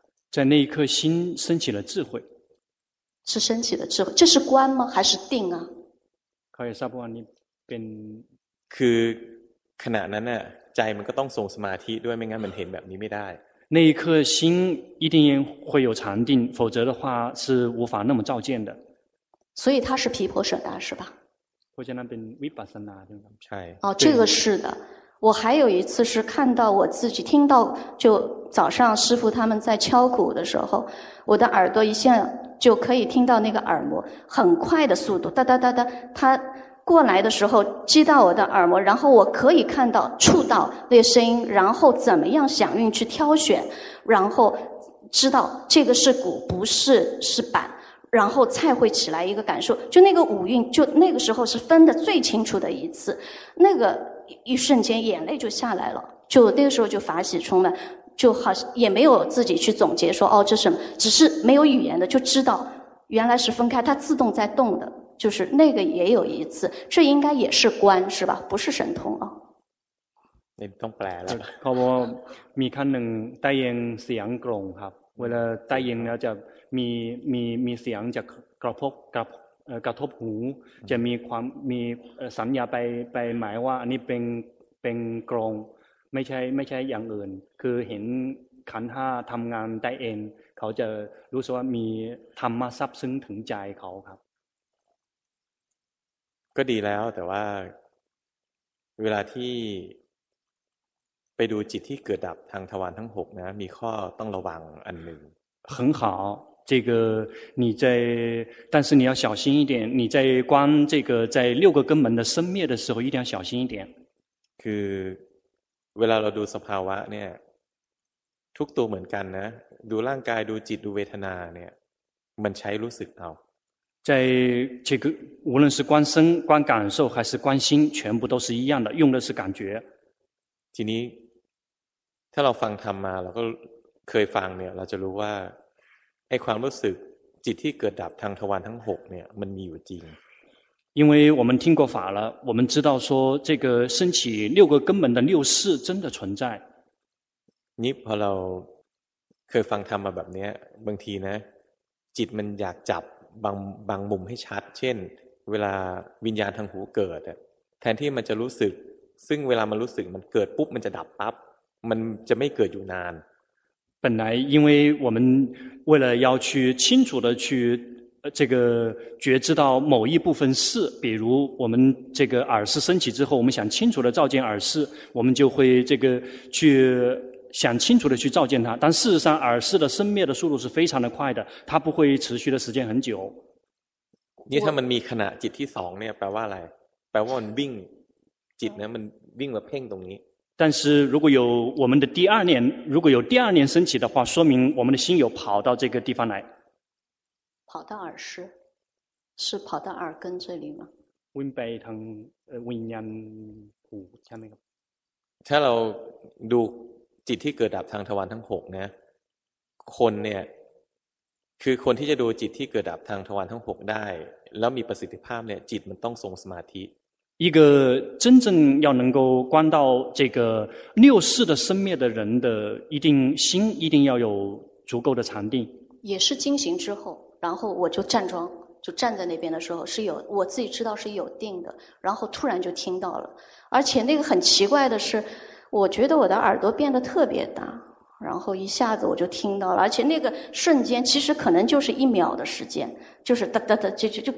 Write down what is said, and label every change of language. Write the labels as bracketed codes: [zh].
[zh] 在那一刻心升起了智慧是升起了智慧这是观吗还是定啊可以萨布瓦尼เป็น [th] คือขณะนั้นน่ะใจมันก็ต้องทรงสมาธิด้วยไม่งั้นมันเห็นแบบนี้ไม่ได้ [zh] 那一刻心一定会有禅定否则的话是无法那么照见的所以它是毗婆舍那是吧婆舍那边วิปัสสนา [th] ใช่ [zh] 哦这个是的我还有一次是看到我自己听到就早上师父他们在敲鼓的时候我的耳朵一下就可以听到那个耳膜很快的速度哒哒哒哒它过来的时候击到我的耳膜然后我可以看到触到那个声音然后怎么样响应去挑选然后知道这个是鼓不是是板然后才会起来一个感受就那个五蕴就那个时候是分得最清楚的一次那个一瞬间眼泪就下来了就那个时候就法喜充满就好像也没有自己去总结说哦这什么只是没有语言的就知道原来是分开它自动在动的就是那个也有一次这应该也是观是吧不是神通啊你不用来了 [th] ขอบมีคันหนึ่งได้ยินเสียงกรงครับเวลาได้ยินแล้วจะมีเสียงจะกระทบกระทบหูจะมีความมีสัญญาไปหมายว่าอันนี้เป็นกรงไม่ใช่อย่างอื่นคือเห็นขันห้าทำงานได้เองเขาจะรู้สึกว่ามีธรรมะซับซึ้งถึงใจเขาครับ ก็ดีแล้วแต่ว่าเวลาที่ไปดูจิตที่เกิดดับทางทวารทั้ง6นะมีข้อต้องระวังอันหนึ่ง [zh] 很好这个你在但是你要小心一点你在观这个在六个根本的生灭的时候一定要小心一点 [th] คือเวลาเราดูสภาวะเนี่ยทุกตัวเหมือนกันนะดูร่างกายดูจิตดูเวทนาเนี่ยมันใช้รู้สึกเอา [zh] 在这个无论是观身观感受还是观心全部都是一样的用的是感觉 [th] ทีนี้ถ้าเราฟังธรรมมาเราก็เคยฟังเนี่ยเราจะรู้ว่าไอ้ความรู้สึกจิตที่เกิดดับทางทวารทั้ง6เนี่ยมันมีอยู่จริง [zh] 因为我们听过法了我们知道说这个升起六个根本的六识真的存在 [th] นี่พอเราเคยฟังธรรมมาแบบเนี้ยบางทีนะจิตมันอยากจับบางมุมให้ชัดเช่นเวลาวิญญาณทางหูเกิดแทนที่มันจะรู้สึกซึ่งเวลามันรู้สึกมันเกิดปุ๊บมันจะดับปั๊บมันจะไม่เกิดอยู่นาน [zh] 本来因为我们为了要去清楚的去这个觉知到某一部分事比如我们这个耳识升起之后我们想清楚的照见耳识我们就会这个去想清楚的去照见它但事实上耳识的生灭的速度是非常的快的它不会持续的时间很久因为他们 [th] มีขณะจิตที่สองเนี่ยแปลว่าอะไรแปลว่ามันวิ่งจิตเนี่ยมันวิ่งมาเพ่งตรงนี้ [zh] 但是如果有我们的第二念如果有第二念升起的话说明我们的心有跑到这个地方来跑到耳识是跑到耳根这里吗 [th] วิ่งไปทางวิญญาณหูใช่ไหมครับ ถ้าเราดูจิตที่เกิดดับทางทวารทั้งหกนะคนเนี่ยคือคนที่จะดูจิตที่เกิดดับทางทวารทั้งหกได้แล้วมีประสิทธิภาพเนี่ยจิตมันต้องทรงสมาธิ [zh] 一个真正要能够观到这个六识的生灭的人的一定心一定要有足够的禅定也是惊醒之后然后我就站桩就站在那边的时候是有我自己知道是有定的然后突然就听到了而且那个很奇怪的是我觉得我的耳朵变得特别大然后一下子我就听到了而且那个瞬间其实可能就是一秒的时间就是哒哒哒就